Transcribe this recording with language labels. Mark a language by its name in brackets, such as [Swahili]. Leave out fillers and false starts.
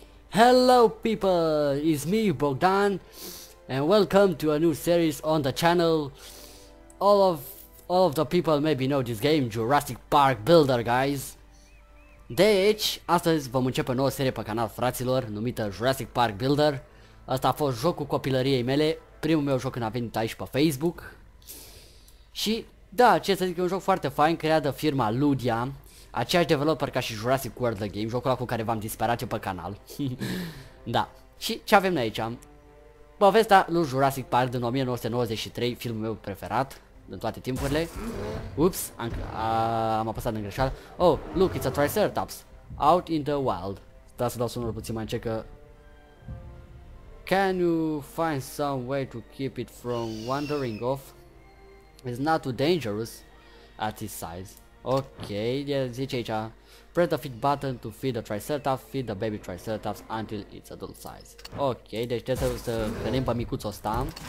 [English] Hello people, it's me Bogdan, and welcome to a new series on the channel. All of the people maybe know this game, Jurassic Park Builder, guys. [Romanian] Deci, astăzi vom începe o nouă serie pe canal, fraților, numită Jurassic Park Builder. Asta a fost jocul copilăriei mele, primul meu joc când a venit aici pe Facebook. Și, da, ce să zic, e un joc foarte fain, creat de firma Ludia. Aceeași developer ca și Jurassic World The Game, jocul ăla cu care v-am disperat eu pe canal. Da. Și ce avem noi aici? Povestea lui Jurassic Park din 1993, filmul meu preferat din toate timpurile. Ups, am apăsat în greșeală. [English] Oh, look, it's a triceratops. Out in the wild. [Romanian] Stai să dau sunul puțin mai încet că... [English] Can you find some way to keep it from wandering off? It's not too dangerous at its size. Ok, [Romanian] zice aici, [English] press the feed button to feed the triceratops, feed the baby triceratops until it's adult size. [Romanian] Ok, deci trebuie să venim pe micuțul ăsta.